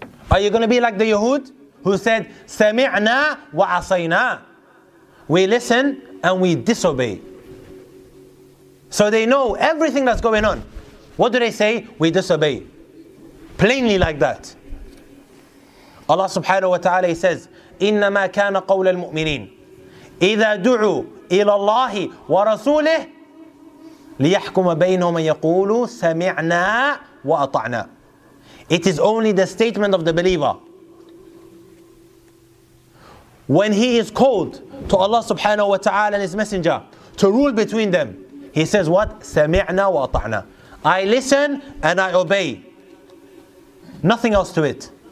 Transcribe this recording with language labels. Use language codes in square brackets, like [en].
[en] Are you going to be like the Yahud who said, [ar] Sami'na wa asayna? [en] We listen and we disobey. So they know everything that's going on. What do they say? We disobey. Plainly like that. Allah subhanahu wa ta'ala says, [ar] إِنَّمَا كَانَ قَوْلَ الْمُؤْمِنِينَ إِذَا دُعُوا إِلَى اللَّهِ وَرَسُولِهِ لِيَحْكُمَ بَيْنَهُمَ يَقُولُوا سَمِعْنَا وَأَطَعْنَا. [en] It is only the statement of the believer. When he is called to Allah subhanahu wa ta'ala and His Messenger to rule between them, he says what? [ar] سَمِعْنَا وَأَطَعْنَا. [en] I listen and I obey. Nothing else to it.